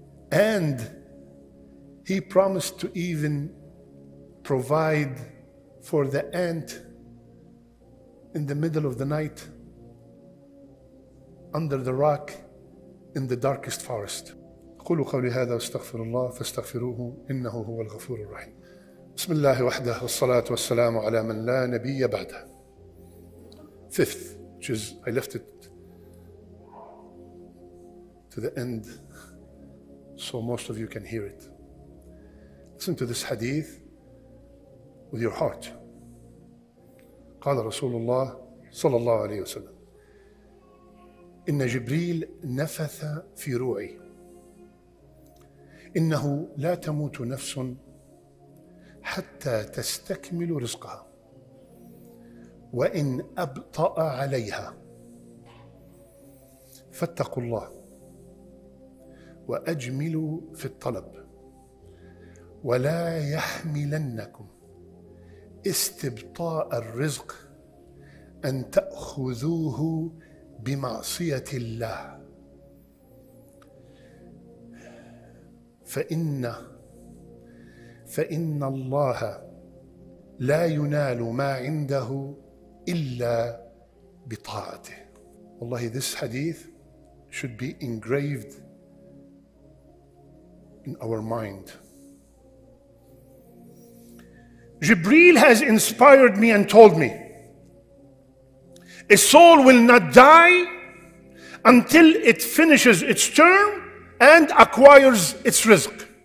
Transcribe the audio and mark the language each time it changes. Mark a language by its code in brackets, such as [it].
[en] And he promised to even provide for the ant in the middle of the night, under the rock, in the darkest forest. [ar] قُلُوا قَوْلِ هَذَا وَاسْتَغْفِرُوا اللَّهِ فَاسْتَغْفِرُوهُ إِنَّهُ هُوَ الْغَفُورُ الرَّحِيمُ. بسم الله وحده والصلاة والسلام على من لا نبي بعده. [en] Fifth, which is, I left it to the end, so most of you can hear it. Listen to this hadith with your heart. [ar] قال رسول الله صلى الله عليه وسلم إن جبريل نفث في روعي إنه لا تموت نفس حتى تستكمل رزقها وإن أبطأ عليها فاتقوا الله وأجملوا في الطلب ولا يحملنكم استبطاء الرزق أن تأخذوه بمعصية الله فإن الله لا ينال ما عنده إلا بطاعته. [en] والله, this hadith should be engraved in our mind. Jibreel has inspired me and told me, a soul will not die until it finishes its term and acquires its rizq.